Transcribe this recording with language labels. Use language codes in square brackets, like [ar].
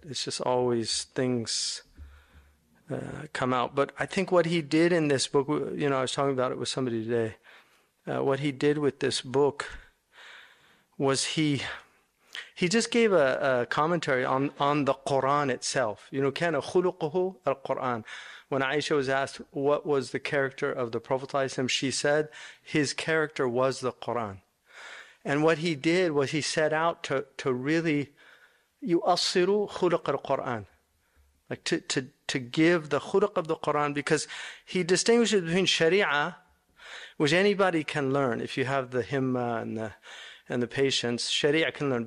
[en] It's just always things come out. But I think what he did in this book, you know, I was talking about it with somebody today, what he did with this book was he just gave a commentary on the Quran itself. You know, [ar] كان خلقه القرآن. [en] When Aisha was asked what was the character of the Prophet, she said his character was the Quran. And what he did was he set out to really [ar] يؤصر خلق القرآن, [en] like to give the خلق of the Quran, because he distinguishes between Sharia, which anybody can learn if you have the himma and the patience, Sharia can learn.